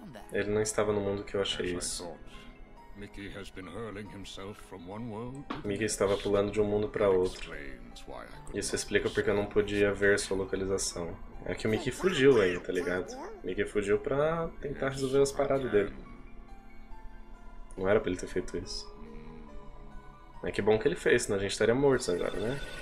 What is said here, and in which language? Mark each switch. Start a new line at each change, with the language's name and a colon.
Portuguese: Ele não estava no mundo que eu achei isso.
English: Mickey has been hurling himself from one world.
Portuguese: Mickey estava pulando de um mundo para outro. Isso explica porque eu não podia ver sua localização. É que o Mickey fugiu aí, tá ligado? Mickey fugiu pra tentar resolver as paradas dele. Não era pra ele ter feito isso. Mas que bom que ele fez, senão a gente estaria morto agora, né?